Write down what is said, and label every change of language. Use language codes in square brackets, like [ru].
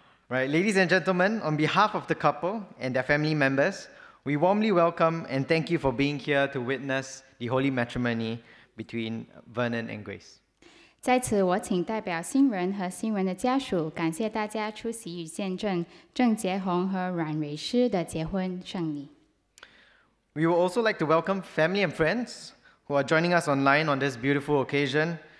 [en] Ladies and gentlemen, on behalf of the couple and their family members, we warmly welcome and thank you for being here to witness the holy matrimony between Vernon and Grace. [zh] 在此我请代表新人和新人的家属感谢大家出席与见证郑杰宏和阮蕊诗的结婚盛礼。 [en] We would also like to welcome family and friends who are joining us online on this beautiful occasion.